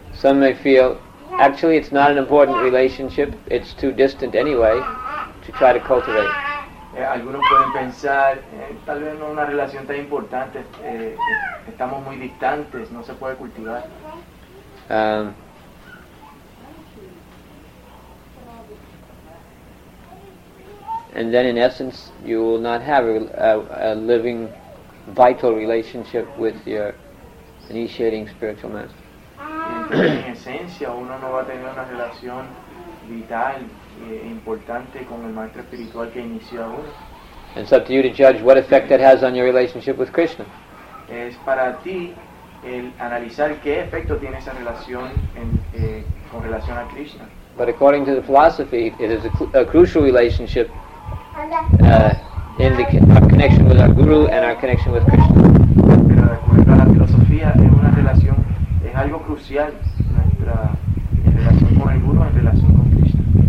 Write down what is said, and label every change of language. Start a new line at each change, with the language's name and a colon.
English: Some may feel, actually it's not an important relationship, it's too distant anyway, to try to cultivate.
Spanish: Algunos pueden pensar, tal vez no una relación tan importante, estamos muy distantes, no se puede cultivar.
English: And then in essence, you will not have a living vital relationship with your initiating spiritual master.
Spanish: En esencia, uno no va a tener una relación vital importante con el maestro espiritual que inició a uno.
English: And it's up to you to judge what effect that has on your relationship with Krishna.
Spanish: Es para ti el analizar qué efecto tiene esa relación en, con relación a Krishna.
English: But according to the philosophy, it is a crucial relationship in the our connection with our guru and our connection with Krishna.
Spanish: Pero de acuerdo a la filosofía, es una relación, es algo crucial nuestra en relación con el guru, en relación con Krishna.